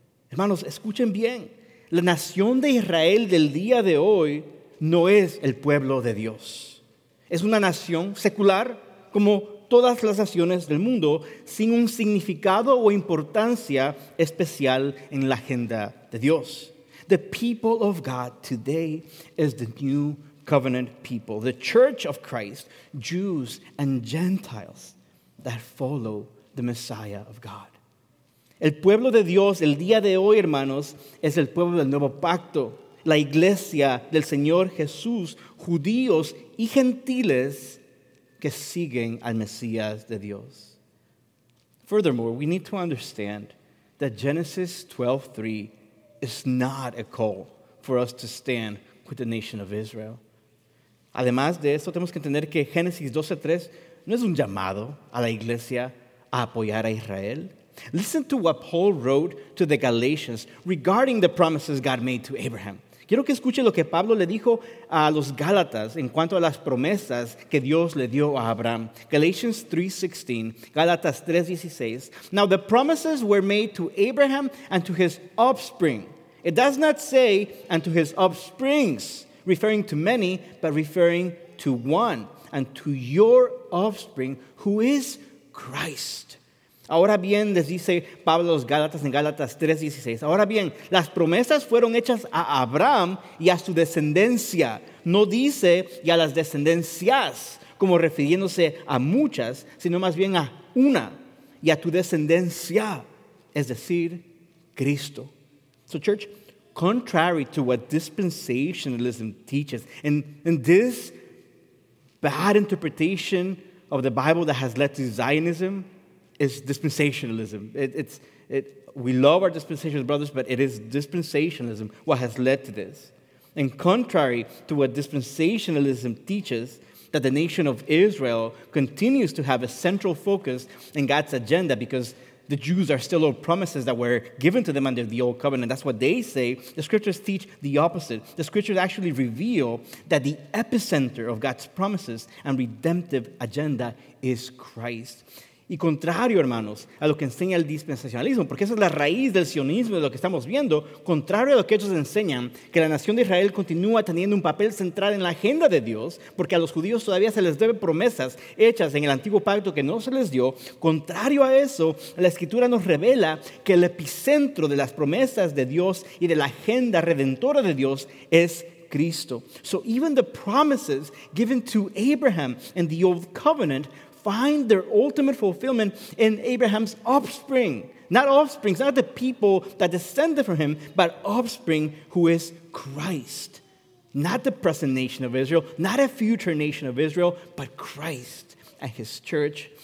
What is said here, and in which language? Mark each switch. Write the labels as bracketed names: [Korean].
[Spanish] Hermanos, escuchen bien. La nación de Israel del día de hoy no es el pueblo de Dios. Es una nación secular, como todas las naciones del mundo, sin un significado o importancia especial en la agenda de Dios. [English] The people of God today is the new covenant people, the church of Christ, Jews and Gentiles that follow the Messiah of God. [Spanish] El pueblo de Dios, el día de hoy, hermanos, es el pueblo del nuevo pacto, la iglesia del Señor Jesús, judíos y gentiles que siguen al Mesías de Dios. [English] Furthermore, we need to understand that Genesis 12:3 is not a call for us to stand with the nation of Israel. [Spanish] Además de eso, tenemos que entender que Génesis 12:3 no es un llamado a la iglesia a apoyar a Israel. [English] Listen to what Paul wrote to the Galatians regarding the promises God made to Abraham. [Spanish] Quiero que escuche lo que Pablo le dijo a los Gálatas en cuanto a las promesas que Dios le dio a Abraham. [English] Galatians 3:16, Gálatas 3:16. Now the promises were made to Abraham and to his offspring. It does not say and to his offsprings, referring to many, but referring to one, and to your offspring, who is Christ. [Spanish] Ahora bien, les dice Pablo a los Gálatas en Gálatas 3:16. Ahora bien, las promesas fueron hechas a Abraham y a su descendencia. No dice y a las descendencias, como refiriéndose a muchas, sino más bien a una y a tu descendencia, es decir, Cristo. [English] So church, contrary to what dispensationalism teaches, and this bad interpretation of the Bible that has led to Zionism, is dispensationalism. We love our dispensational brothers, but it is dispensationalism what has led to this. And contrary to what dispensationalism teaches, that the nation of Israel continues to have a central focus in God's agenda because the Jews are still old promises that were given to them under the old covenant. That's what they say. The scriptures teach the opposite. The scriptures actually reveal that the epicenter of God's promises and redemptive agenda is Christ. [Spanish] Y contrario, hermanos, a lo que enseña el dispensacionalismo, porque esa es la raíz del sionismo de lo que estamos viendo, contrario a lo que ellos enseñan, que la nación de Israel continúa teniendo un papel central en la agenda de Dios, porque a los judíos todavía se les debe promesas hechas en el antiguo pacto que no se les dio, contrario a eso, la Escritura nos revela que el epicentro de las promesas de Dios y de la agenda redentora de Dios es Cristo. [English] So even the promises given to Abraham in the Old Covenant find their ultimate fulfillment in Abraham's offspring. Not offsprings, not the people that descended from him, but offspring who is Christ. Not the present nation of Israel, not a future nation of Israel, but Christ and his church.